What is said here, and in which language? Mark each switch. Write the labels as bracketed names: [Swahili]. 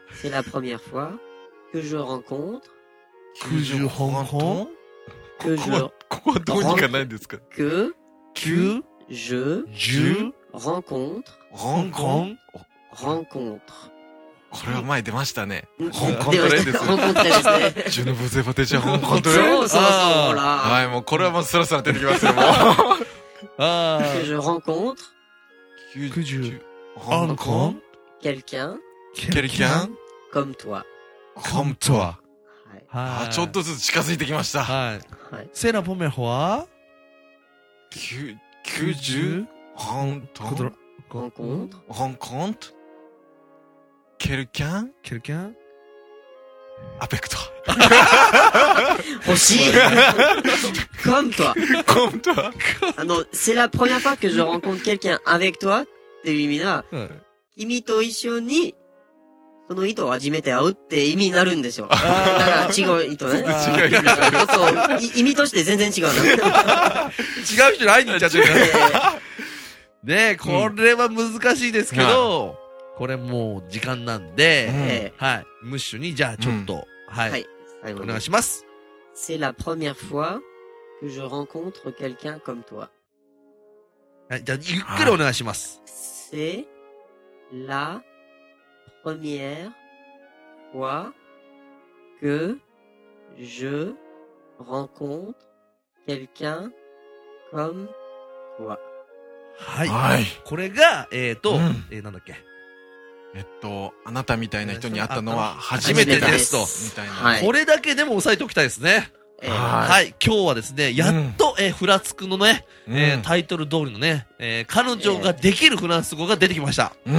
[French] C'est la première fois que je rencontre. Que je rencontre. [Japanese] ここはどうにかないんですか [French] que je rencontre [Japanese] これは前出ましたね。ホンコントレですね。ジュノブゼバテジャホンコントレ。そうそうそう。はい、もうこれはもうスラスラ出てきますよ。も [French] う。que je rencontre que je rencontre quelqu'un comme toi comme toi。 [Japanese] はい、あ、ちょっとずつ近づいてきました。はい。セラポメフは 90ホントホンコントホンコントケルキャンケルキャンアペクト。欲しい。 [French] Comme toi。 Comme toi。 [Japanese] あの、 [French] c'est la première fois que je rencontre quelqu'un avec toi [Japanese] っていう意味だ。うん、君と一緒に、その糸を初めて会うって意味になるんですよ。だから違う糸ね。違う糸。そう、意味として全然違うな。違う人に会いに行っちゃってる。ねえ、これは難しいですけど、うん、これもう時間なんで、はい。ムッシュに、じゃあちょっと、うん、はい、はい。お願いします。 [French] C'est la première fois que je rencontre quelqu'un comme toi。 [Japanese] はい、じゃあゆっくりお願いします。 [French] C'est la première fois que je rencontre quelqu'un comme toi。 [Japanese] はい。はい。これが、うん、なんだっけ。あなたみたいな人に会ったのは初めてですと、みたいな、はい。これだけでも押さえておきたいですね。はい。今日はですね、やっと、うん、フラツクのね、タイトル通りのね、彼女ができるフランス語が出てきました。